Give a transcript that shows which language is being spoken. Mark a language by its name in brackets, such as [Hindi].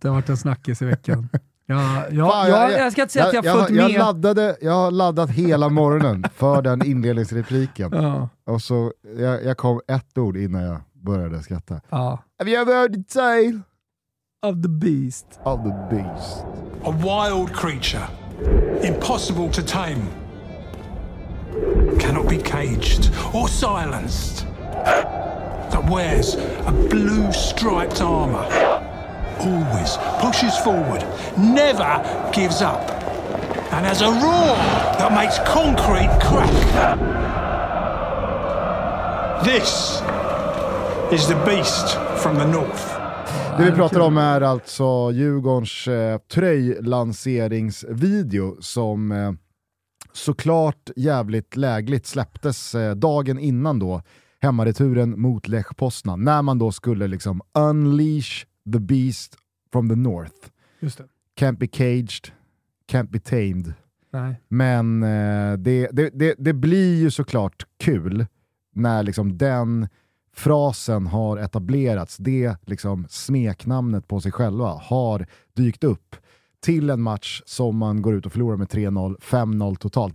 [Swedish] Det har varit en snackis i veckan. Jag ska inte säga att jag har fått med. Jag har laddat hela morgonen för den inledningsrepliken. Ja. Och så jag kom ett ord innan jag började skratta. Ja. [English] Have you ever heard the tale of the beast? Of the beast. A wild creature, impossible to tame. Cannot be caged or silenced. That wears a blue striped armor. Always pushes forward, never gives up, and has a roar that makes concrete crack. This is the beast from the north. [Swedish] Det vi pratar om är alltså Djurgårdens tröjlanseringsvideo som såklart jävligt lägligt släpptes dagen innan då hemmareturen mot Lech Poznan, när man då skulle liksom [English] unleash the beast from the north. [Swedish] Just det. [English] Can't be caged, can't be tamed. [Swedish] Nej. Men det blir ju såklart kul när liksom den frasen har etablerats, det liksom smeknamnet på sig själva har dykt upp till en match som man går ut och förlorar med 3-0, 5-0 totalt.